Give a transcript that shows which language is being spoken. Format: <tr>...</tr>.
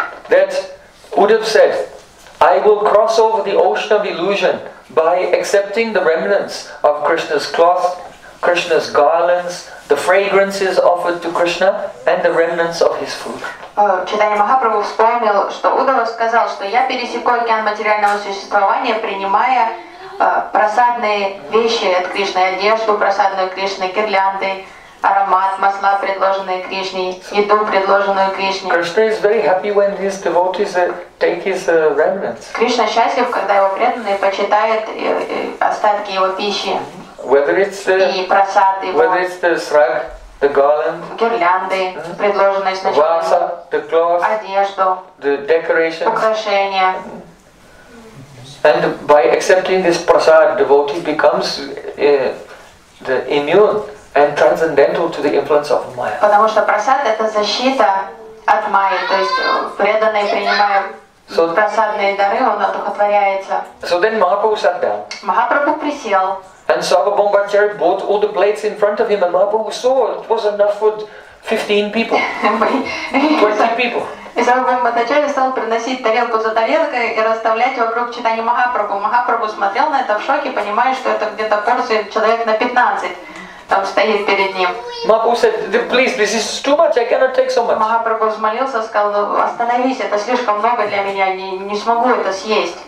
<en>That Uddhav said, I will cross over the ocean of illusion by accepting the remnants of Krishna's cloth, Krishna's garlands, the fragrances offered to Krishna, and the remnants of his food.</en> <ru>Читание Махапрабху вспомнил, что Удава сказал, что я пересеку океан материального существования, принимая просадные вещи от Кришны, одежду просадную Кришны, гирлянды, аромат, масла, предложенные Кришне, еду, предложенную Кришне.</ru> <en>Krishna is very happy when his devotees take his remnants.</en> <ru>Кришна счастлив, когда его преданные почитают остатки его пищи.</ru> <en>Whether it's the whether it's the srag, the garland,</en> <ru>гирлянды, предложенные сначала,</ru> <en>vasa, the cloth,</en> <ru>одежду,</ru> <en>the decorations,</en> <ru>украшения.</ru> <en>And by accepting this prasad, devotee becomes the immune and transcendental to the influence of Maya.</en> <ru>Потому что прасад это защита от Майи, то есть преданный принимая прасадные дары, он одухотворяется.</ru> <en>So then Mahaprabhu sat down.</en> <ru>Mahaprabhu присел.</ru> <en>And Sava Bhongacharya brought all the plates in front of him, and Mahaprabhu saw it was enough for 15 people. 20 people.</en> <ru>И Сава Бхагаватачарья стал приносить тарелку за тарелкой и расставлять вокруг читания Махапрабху. Махапрабху смотрел на это в шоке, понимая, что это где-то порция человек на 15 там стоит перед ним.</ru> <en>Махапрабху said, please, this is too much, I cannot take so much.</en> <ru>Махапрабху взмолился, сказал, остановись, это слишком много для меня, не смогу это съесть.</ru>